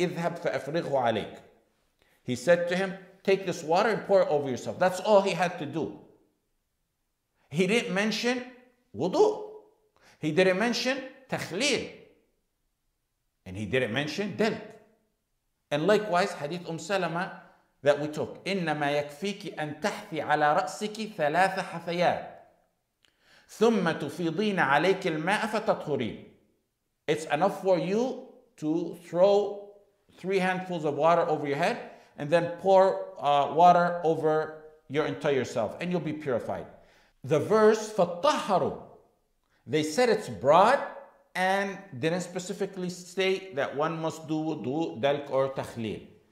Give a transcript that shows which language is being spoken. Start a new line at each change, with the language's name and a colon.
Arabic: اذهب فأفرغه عليك.
English: He said to him, take this water and pour it over yourself. That's all he had to do. He didn't mention wudu. He didn't mention takhleel. And he didn't mention dalk. And likewise, hadith Salama that we took,
Arabic: إِنَّمَا يَكْفِيكِ أَن تَحْثِي عَلَى رَأْسِكِ ثَلَاثَ حَثَيَاتِ ثُمَّ تُفِيضِينَ عَلَيْكِ الْمَاءَ فَتَطْهُرِينَ.
English: It's enough for you to throw three handfuls of water over your head and then pour water over your entire self, and you'll be purified. The verse, فَالطَّهَرُ, they said it's broad and didn't specifically state that one must do wudu, dalk, or takhleel.